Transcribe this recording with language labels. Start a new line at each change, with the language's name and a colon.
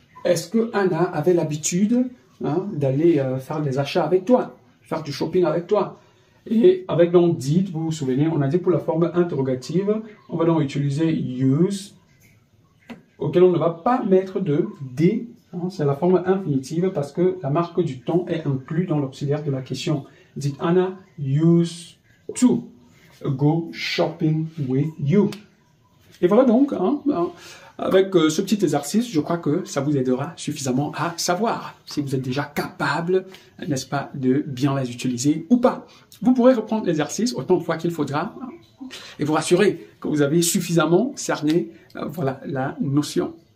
French: Est-ce que Anna avait l'habitude, hein, d'aller faire des achats avec toi, faire du shopping avec toi? Et avec donc did, vous vous souvenez, on a dit pour la forme interrogative, on va donc utiliser use, auquel on ne va pas mettre de d, hein, c'est la forme infinitive parce que la marque du temps est inclue dans l'auxiliaire de la question.
English: Did Anna use to go shopping with you?
French: Et voilà donc, hein, avec ce petit exercice, je crois que ça vous aidera suffisamment à savoir si vous êtes déjà capable, n'est-ce pas, de bien les utiliser ou pas. Vous pourrez reprendre l'exercice autant de fois qu'il faudra et vous rassurer que vous avez suffisamment cerné voilà, la notion.